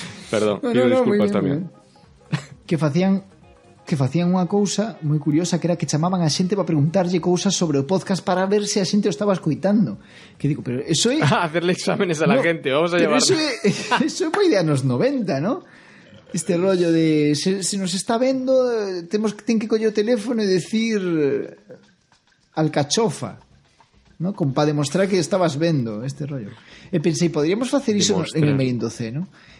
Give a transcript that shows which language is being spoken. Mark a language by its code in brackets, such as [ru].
[gl] Perdón, pido disculpas también. Que facían unha cousa moi curiosa, que era que chamaban a xente para preguntarlle cousas sobre o podcast para ver se a xente o estaba escuitando. Que digo, pero eso é... [es] Hacerle exámenes a la gente, vamos a llevarlo. [gl] Eso é moi de anos 90, ¿no? Este rollo de se nos está vendo, ten que coller o teléfono e decir alcachofa, ¿no? Como para demostrar que estabas vendo este rollo. E pensei, podríamos facer iso en el Meriendo Ceno, ¿no?